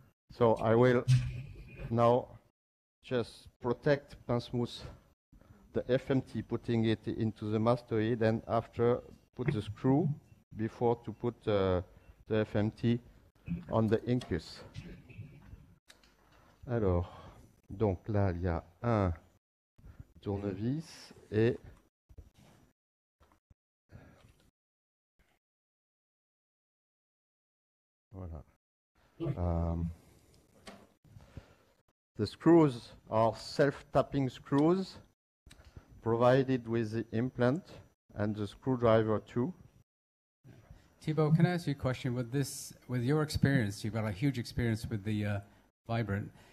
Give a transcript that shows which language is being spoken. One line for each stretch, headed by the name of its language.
English: So I will now just protect pince mousse, the FMT, putting it into the mastoid, and after put the screw before to put the FMT on the incus.
French: Alors. Donc là, il y a un tournevis et voilà.
English: The screws are self-tapping screws provided with the implant and the screwdriver too. Thibaud, can I ask you a question? With this, with your experience, you've got a huge experience with the vibrant.